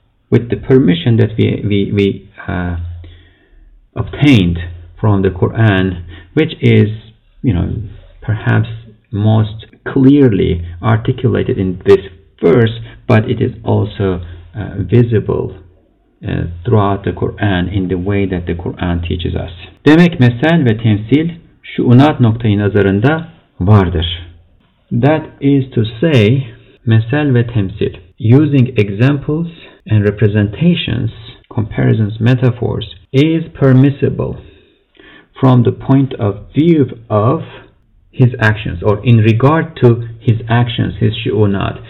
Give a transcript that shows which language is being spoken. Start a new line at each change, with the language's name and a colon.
English: With the permission that we obtained from the Quran, which is, you know, perhaps most clearly articulated in this verse, but it is also visible throughout the Quran in the way that the Quran teaches us.
Turkish: Demek mesel ve temsil şuunat noktayı nazarında vardır.
English: That is to say,
Turkish: mesel ve temsil,
English: using examples and representations, comparisons, metaphors, is permissible from the point of view of His actions, or in regard to His actions, His shu'unat.